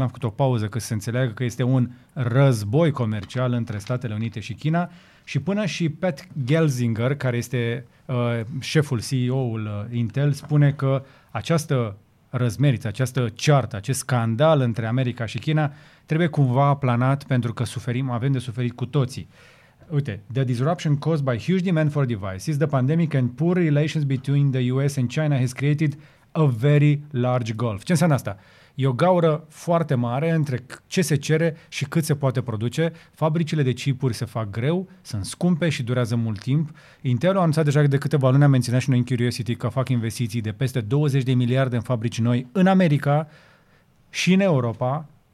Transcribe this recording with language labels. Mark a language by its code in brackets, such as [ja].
[ro] Am făcut o pauză că se înțeleagă că este un război comercial între Statele Unite și China. Și până și Pat Gelsinger, care este șeful, CEO-ul Intel, spune că această răzmeriță, această ceartă, acest scandal între America și China trebuie cumva aplanat pentru că suferim, avem de suferit cu toții. Uite, [en] the disruption caused by huge demand for devices, the pandemic and poor relations between the US and China has created a very large gulf. [ro] Ce înseamnă asta? E o gaură foarte mare între ce se cere și cât se poate produce. Fabricile de chipuri se fac greu, sunt scumpe și durează mult timp. Intel a anunțat deja de câteva luni, a menționat și noi în Curiosity, că fac investiții de peste 20 de miliarde în fabrici noi în America și în Europa.